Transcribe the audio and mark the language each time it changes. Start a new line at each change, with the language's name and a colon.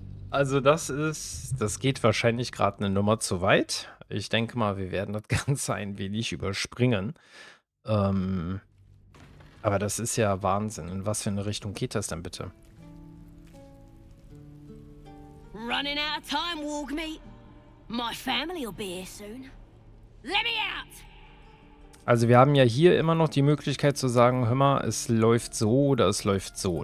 German: Also das geht wahrscheinlich gerade eine Nummer zu weit. Ich denke mal, wir werden das Ganze ein wenig überspringen. Aber das ist ja Wahnsinn. In was für eine Richtung geht das denn bitte?
English: Running out of time, Wargmeat. My family will be here soon. Let me out!
German: Also wir haben ja hier immer noch die Möglichkeit zu sagen, hör mal, es läuft so oder es läuft so.